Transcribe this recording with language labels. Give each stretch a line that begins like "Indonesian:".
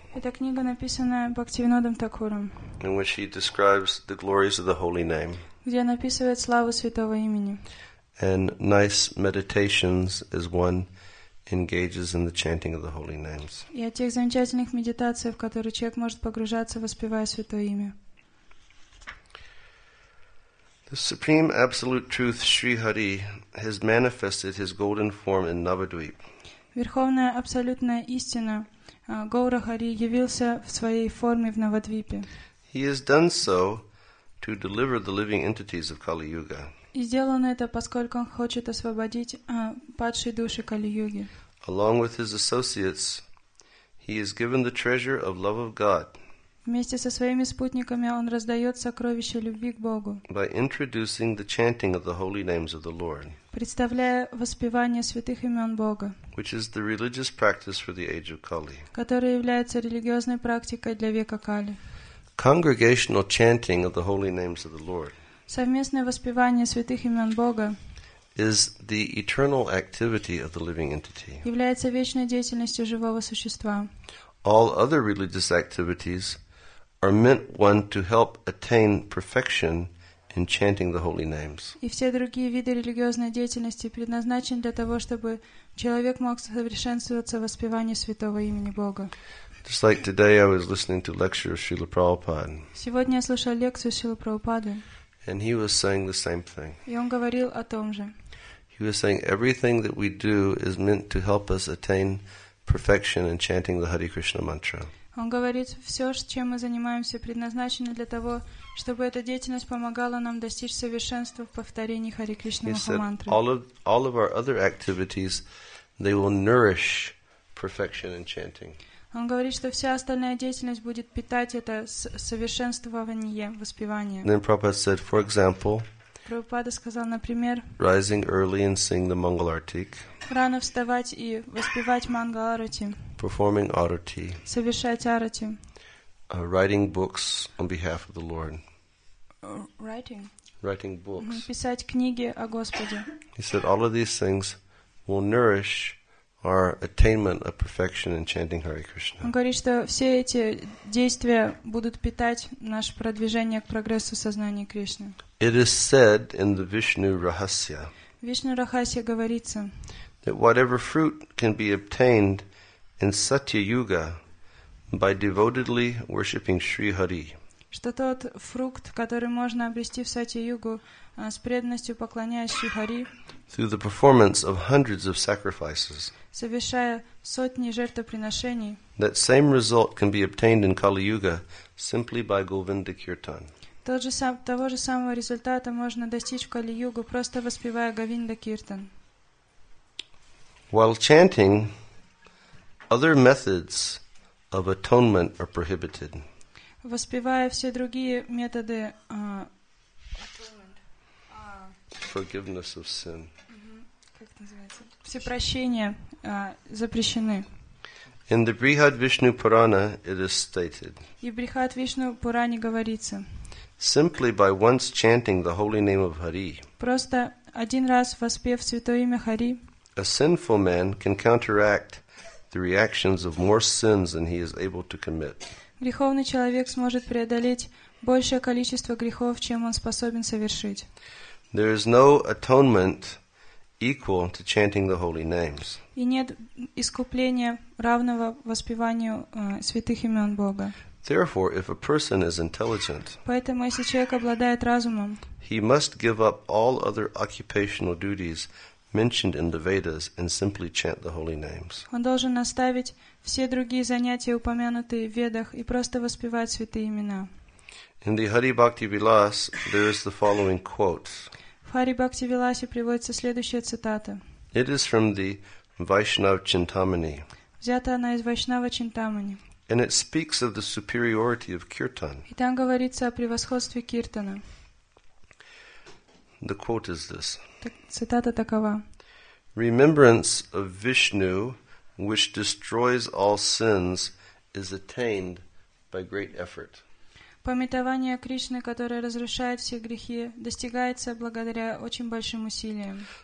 Russian: Эта книга написана Бхактивинодом Такуром.
English: In which he describes the glories of the holy name.
Russian: Где он описывает славу святого имени.
English: And nice meditations as one engages in the chanting of the holy names.
Russian: И о тех замечательных медитациях, в которые человек может погружаться, воспевая святое имя.
English: The Supreme Absolute Truth, Sri Hari, has manifested His golden form in Navadvip.
Russian: Верховная абсолютная истина Гоура Хари явился в своей форме в Навадвипе.
English: He has done so to deliver the living entities of Kali Yuga.
Russian: И сделано это, поскольку он хочет освободить падшие души Кали Юги.
English: Along with his associates, he is given the treasure of love of God.
Russian: Вместе со своими спутниками он раздает сокровище любви к Богу.
English: By introducing the chanting of the holy names of the Lord.
Russian: Представляя воспевание святых имен Бога.
English: Which is the religious practice for the age of Kali.
Russian: Которая является религиозной практикой для века Кали.
English: Congregational chanting of the holy names of the Lord.
Russian: Совместное воспевание святых имен Бога.
English: Is the eternal activity of the living entity.
Russian: Является вечной деятельностью живого существа.
English: All other religious activities are meant one to help attain perfection in chanting the holy names.
Russian: И все другие виды религиозной деятельности предназначены для того, чтобы человек мог совершенствоваться в воспевании святого имени Бога.
English: Just like today I was listening to lecture of Srila Prabhupada.
Russian: Сегодня я слушал лекцию Шрилы Прабхупады.
English: And he was saying the same thing.
Russian: И он говорил о том же.
English: He was saying everything that we do is meant to help us attain perfection in chanting the Hare Krishna mantra.
Russian: Он говорит, все, чем мы занимаемся, предназначено для того, чтобы эта деятельность помогала нам достичь совершенства в повторении Хари Кришна Махамантры.
English: All of our other activities, they will nourish perfection in chanting.
Russian: Он говорит, что вся остальная деятельность будет питать это совершенствование, воспевание.
English: Then Prabhupada said, for example,
Russian: Прабхупада сказал, например,
English: rising early and sing the Mangal Artik,
Russian: рано вставать и воспевать Мангал Арати,
English: performing Arati,
Russian: совершать Арати,
English: writing books on behalf of the Lord, writing books,
Russian: писать книги о Господе.
English: He said, all of these things will nourish our attainment of perfection in chanting Hare Krishna.
Russian: Он говорит, что все эти действия будут питать наше продвижение к прогрессу сознания Кришны.
English: It is said in the Vishnu Rahasya.
Russian: В Вишну Рахасе говорится.
English: That whatever fruit can be obtained in Satya Yuga by devotedly worshipping Shri Hari.
Russian: Что тот фрукт, который можно обрести в Сатья Югу, с преданностью поклоняясь Шри Хари.
English: Through the performance of hundreds of sacrifices.
Russian: Совершая сотни жертвоприношений.
English: That same result can be obtained in Kali Yuga simply by Govinda Kirtan.
Russian: Того же самого результата можно достичь в Кали Югу, просто воспевая Говинда Киртан.
English: While chanting, other methods of atonement are prohibited.
Russian: Воспевая все другие методы
English: forgiveness of sin.
Russian: Всепрощения запрещены.
English: In the Brihad Vishnu Purana it is stated.
Russian: И в Брихад Вишну Пуране говорится.
English: Simply by once chanting the holy name of Hari.
Russian: Просто один раз воспев святое имя Хари.
English: A sinful man can counteract the reactions of more sins than he is able to commit.
Russian: Греховный человек сможет преодолеть большее количество грехов, чем он способен совершить.
English: There is no atonement equal to chanting the holy names.
Russian: И нет искупления равного воспеванию святых имен Бога.
English: Therefore, if a person is intelligent,
Russian: поэтому если человек обладает разумом,
English: he must give up all other occupational duties mentioned in the Vedas and simply chant the holy names.
Russian: Он должен оставить все другие занятия, упомянутые в Ведах, и просто воспевать святые имена.
English: In the Hari Bhakti Vilas, there is the following quote.
Russian: В Hari Bhakti Vilasе приводится следующая цитата.
English: It is from the Vaishnava Chintamani.
Russian: Взята она из Вайшнава Чинтамани.
English: And it speaks of the superiority of kirtan.
Russian: И там говорится о превосходстве киртана.
English: The quote is this.
Russian: Цитата такова.
English: Remembrance of Vishnu, which destroys all sins, is attained by great effort.
Russian: Памятование Кришны, которое разрушает все грехи, достигается благодаря очень большим усилиям.